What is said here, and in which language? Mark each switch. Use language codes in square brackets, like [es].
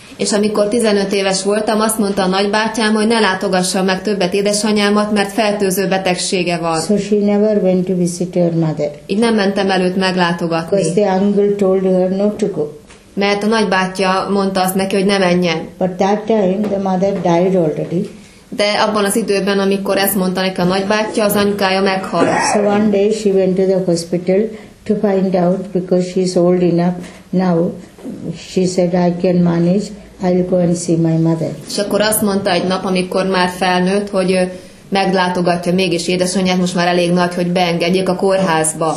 [hu] És amikor 15 éves voltam, azt mondta a nagybátyám, hogy ne látogassam meg többet édesanyámat, mert fertőző betegsége van. [en] So she never went to visit her mother. [hu] Így nem mentem előtt meglátogatni. [en] Because the uncle told her not to go. [hu] Mert a nagybátyja mondta azt neki, hogy ne menjen. [en] But that time the mother died already. [hu] De abban az időben, amikor ezt mondta neki a nagybátyja, az anyukája meghalt. [en] So one day she went to the hospital to find out, because she's old enough now, she said, I can manage, I'll go and see my mother. [hu] És akkor azt mondta egy nap, amikor már felnőtt, hogy meglátogatja mégis édesanyját, most már elég nagy, hogy beengedjék a kórházba.